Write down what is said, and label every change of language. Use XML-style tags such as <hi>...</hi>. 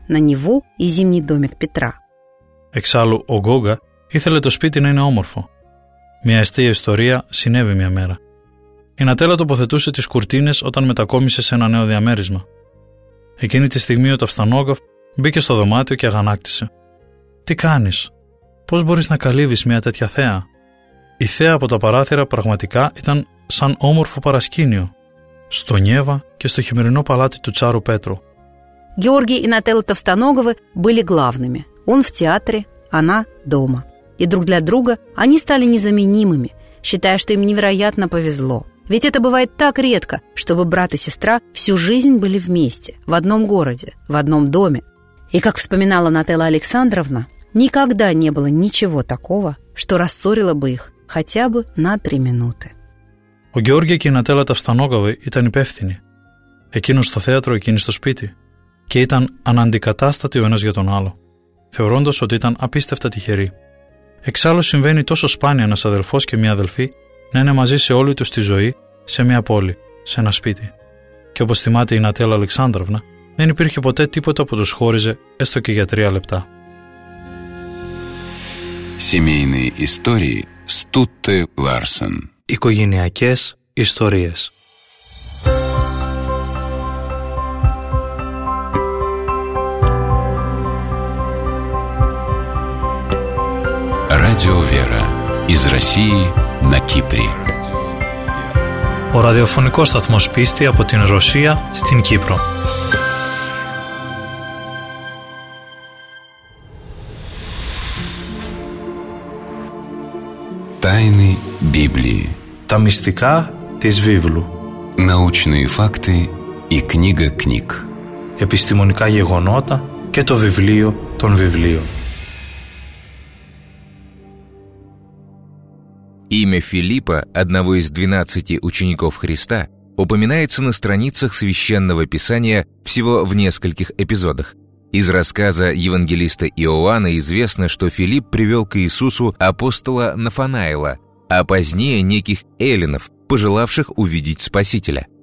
<ru>На Неву и зимний домик Петра.</ru> <el>Εξάλλου, ο Γκόγκα ήθελε το σπίτι να είναι όμορφο. Μια αστεία ιστορία συνέβη μια μέρα. Η Νατέλα τοποθετούσε τις κουρτίνες όταν μετακόμισε σε ένα νέο διαμέρισμα. Εκείνη τη στιγμή ο Ταφστανόγκαφ μπήκε στο δωμάτιο και αγανάκτησε. Τι κάνεις? Πώς μπορείς να καλύβεις μια τέτοια θέα? Η θέα από τα παράθυρα πραγματικά ήταν σαν όμορφο παρασκήνιο, στο Νιέβα και στο χειμερινό παλάτι του Τσάρου Πέτρου. Γιώργη και Νατέλα Ταυστανόγοβε</el> <ru>были главными. Он в театре, она дома. И друг для друга они стали незаменимыми, считая, что им невероятно повезло. Ведь это бывает так редко, чтобы брат и сестра всю жизнь были вместе, в одном городе, в одном доме. И как вспоминала Нателла Александровна, никогда не было ничего такого, что рассорило бы их хотя бы на три минуты.</ru> <el>Ο Γιώργη και η Νατέλα Ταυστανόγαβη ήταν υπεύθυνοι. Εκείνος στο θέατρο, εκείνη στο σπίτι. Και ήταν αναντικατάστατοι ο ένας για τον άλλο, θεωρώντας ότι ήταν απίστευτα τυχεροί. Εξάλλου συμβαίνει τόσο σπάνια ένας αδελφός και μία αδελφή να είναι μαζί σε όλη τους τη ζωή, σε μία πόλη, σε ένα σπίτι. Και όπως θυμάται η Νατέλα Αλεξάνδραυνα, δεν υπήρχε ποτέ τίποτα που τους χώριζε έστω και για τρία λεπτά.</el> <ru>Семейные истории Стутте Ларсен.</ru> <el>Οικογενειακές ιστορίες.</el> <ru>Радио Вера. Из России на Кипре.</ru> <el>Ο ραδιοφωνικός σταθμός πίστη από την Ρωσία στην Κύπρο.</el> <ru>Тайны Библии.</ru> <el>Τα μυστικά της Βίβλου.</el> <ru>Научные факты и книга книг.</ru> <el>Επιστημονικά γεγονότα και το βιβλίο των βιβλίων.</el> <ru>Имя Филиппа, одного из 12 учеников Христа, упоминается на страницах Священного Писания всего в нескольких эпизодах. Из рассказа евангелиста Иоанна известно, что Филипп привел к Иисусу апостола Нафанаила, а позднее неких эллинов, пожелавших увидеть Спасителя.</ru>